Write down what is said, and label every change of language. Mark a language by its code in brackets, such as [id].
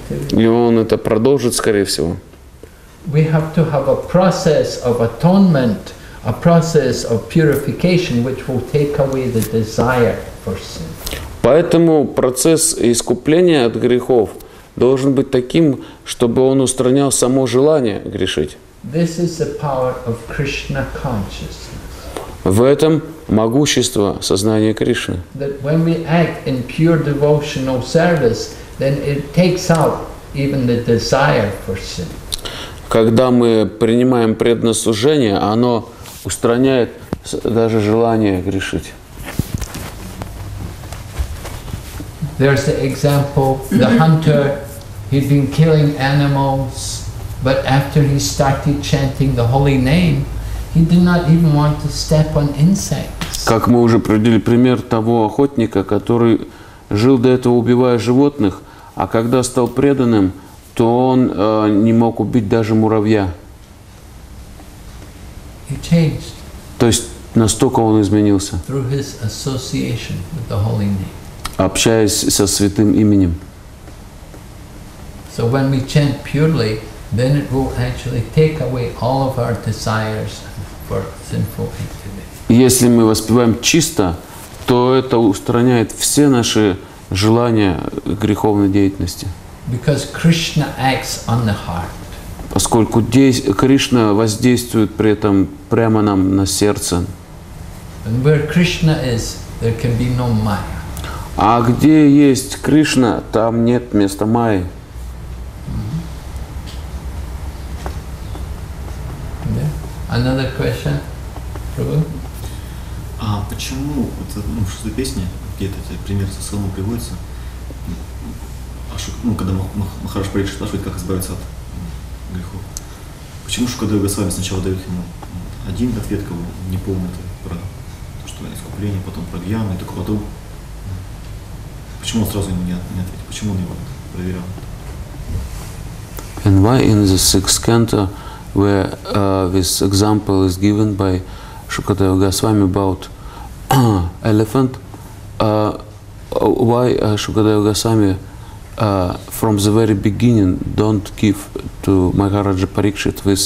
[ru] И он это продолжит, скорее всего. [en] We have to have a process of atonement, a process of purification, which will take away the desire for sin. [ru] Поэтому процесс искупления от грехов должен быть таким, чтобы он устранял само желание грешить. [en] This is the power of Krishna consciousness. [ru] В этом могущество сознания Кришны. [en] That when we act in pure devotional service, then it takes out even the desire for sin. [ru] Когда мы принимаем преданное служение, оно устраняет даже желание грешить. [en] The example, the hunter, he'd been killing animals, but after he started chanting the holy name, he did not even want to step on insects. [ru] Как мы уже приводили пример того охотника, который жил до этого, убивая животных, а когда стал преданным, то он не мог убить даже муравья. [en] He changed. [ru] То есть настолько он изменился. [en] Through his association with the holy name. [ru] Общаясь со святым именем. [en] So when we chant purely, then it will actually take away all of our desires for sinful activity. [ru] Если мы воспеваем чисто, то это устраняет все наши желания греховной деятельности. [en] Because Krishna acts on the heart. [ru] Поскольку Кришна воздействует при этом прямо нам на сердце. [en] And where Krishna is, there can be no Maya. [ru] А где есть Кришна, там нет места Майи. [en] Another question, Prabhu? [ru] А почему вот что-то песня, где-то пример со словом приводится? Когда Махарадж Парикшит спрашивает, как избавиться от грехов. Почему Шукадева Госвами с вами сначала дает ему один ответ, как бы неполный, про то, что искупление, потом про гьяну и так потом. Почему он сразу ему не ответил? Почему он его проверял? [en] And why in the sixth canto, where this example is given by Шукадева Госвами about elephant, why Шукадева Госвами from the very beginning, don't give to Maharaj Parikshit